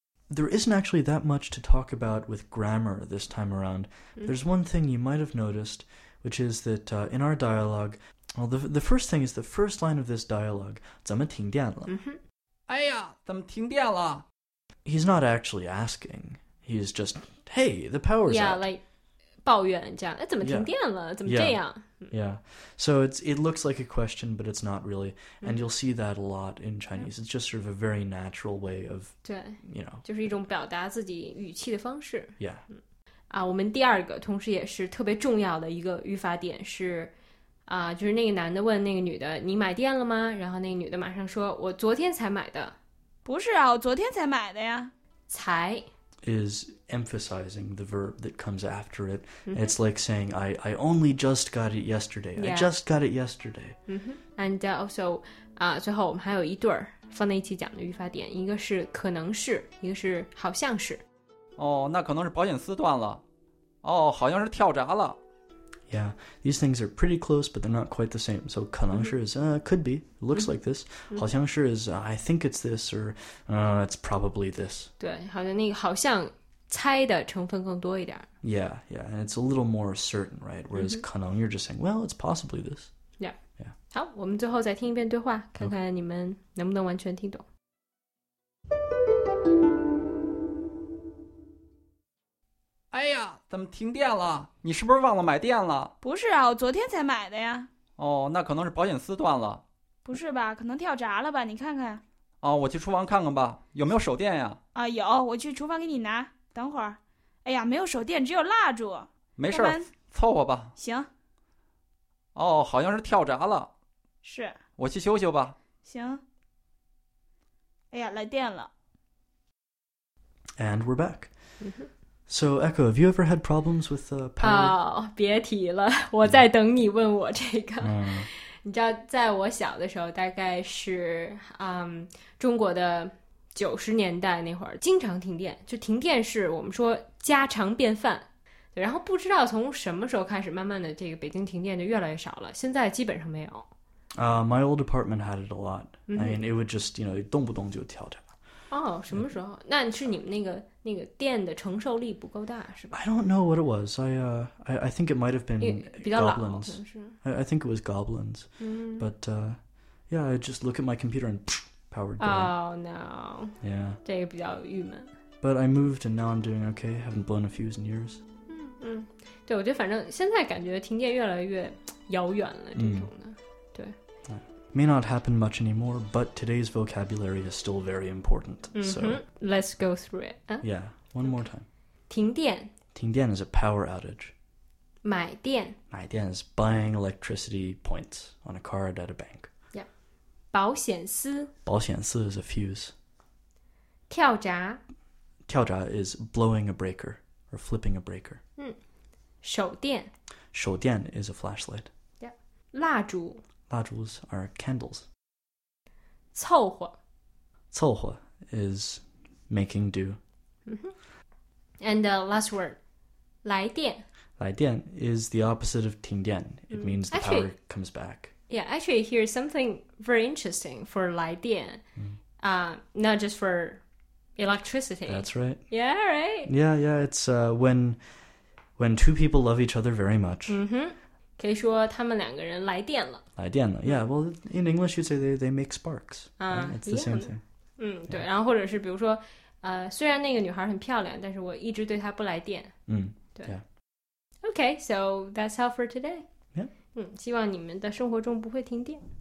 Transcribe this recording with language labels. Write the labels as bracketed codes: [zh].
[en] There isn't actually that much to talk about with grammar this time around. Mm-hmm. There's one thing you might have noticed, which is that in our dialogue, well, the first thing is the first line of this dialogue, [zh] 怎么停电了? Mm-hmm. 哎呀,怎么停电了? [en] He's not actually asking. He's just, hey, the power's out. Yeah, [zh] like, 抱怨这样,哎,怎么停电了? 怎么这样? [en] Yeah, so it looks like a question, but it's not really. Mm-hmm. And you'll see that a lot in Chinese. Yeah. It's just sort of a very natural way of, [zh] 对, [en] you know. [zh] 就是一种表达自己语气的方式。 [en] Yeah. [zh] 啊，我们第二个同时也是特别重要的一个语法点是啊，就是那个男的问那个女的你买电了吗，然后那个女的马上说我昨天才买的。不是啊，我昨天才买的呀。才 [en] is emphasizing the verb that comes after it. It's like saying I only just got it yesterday. Yeah. I just got it yesterday. And also [zh] 啊，最后我们还有一对儿放在一起讲的语法点，一个是可能是，一个是好像是。哦，那可能是保险丝断了。哦，好像是跳闸了。 [en] Yeah, these things are pretty close, but they're not quite the same. So 可能是 is, could be, looks、 mm-hmm. like this.、 Mm-hmm. 好像是 is, I think it's this, or it's probably this. [zh] 对，好像那个好像猜的成分更多一点。 [en] Yeah, yeah, and it's a little more certain, right? Whereas、 mm-hmm. 可能 you're just saying, well, it's possibly this. Yeah. Yeah. [zh] 好，我们最后再听一遍对话，看看你们能不能完全听懂。哎呀，怎么停电了？你是不是忘了买电了？不是啊，我昨天才买的呀。哦，那可能是保险丝断了。不是吧，可能跳闸了吧，你看看。哦，我去厨房看看吧，有没有手电呀？啊，有，我去厨房给你拿，等会儿。哎呀，没有手电，只有蜡烛。没事，凑合吧。行。哦，好像是跳闸了。是。我去修修吧。行。哎呀，来电了。 [en] And we're back. So, Echo, have you ever had problems with the power? [zh] 哦，别提了，我在等你问我这个。嗯，你知道，在我小的时候，大概是中国的90年代那会儿，经常停电，就停电是我们说家常便饭。然后不知道从什么时候开始，慢慢的这个北京停电就越来越少了，现在基本上没有。 [en] My old apartment had it a lot. I mean, it would just, you know, [zh] 动不动就跳闸。哦，什么时候？那是你们那个电的承受力不够大，是吧 [en] ？I don't know what it was. I think it might have been goblins. I think it was goblins. But yeah, I just look at my computer and powered down. Oh no. Yeah. [zh] 这个比较郁闷。 [en] But I moved and now I'm doing okay. Haven't blown a fuse in years. [zh] 嗯，对，我觉得反正现在感觉停电越来越遥远了，这种的。 [en] May not happen much anymore, but today's vocabulary is still very important. So let's go through it.、 Yeah, one more time. [zh] 停电。 [en] 停电 is a power outage. [zh] 买电。 [en] 买电 is buying electricity points on a card at a bank. [zh] Yeah. 保险丝。 [en] 保险丝 is a fuse. [zh] 跳闸。 [en] 跳闸 is blowing a breaker or flipping a breaker. [zh] 嗯，手电。 [en] 手电 is a flashlight. [zh] Yeah. 蜡烛。 [en] 蜡烛 are candles. [zh] 凑合。 [en] 凑合 is making do. And the last word, 来电。来电 is the opposite of 停电。 It means the power comes back. Yeah, actually, here's something very interesting for 来电. Not just for electricity. That's right. Yeah, right. Yeah, yeah. It's when two people love each other very much. Mm-hmm. [zh] 可以说他们两个人来电了。来电了 ，Yeah. [en] Well, in English, you'd say they make sparks. Right? It's the same thing. [zh] 嗯，对。然后或者是比如说，虽然那个女孩很漂亮，但是我一直对她不来电。嗯，对。 [en] Okay, so that's all for today. Yeah. [zh] 嗯，希望你们的生活中不会停电。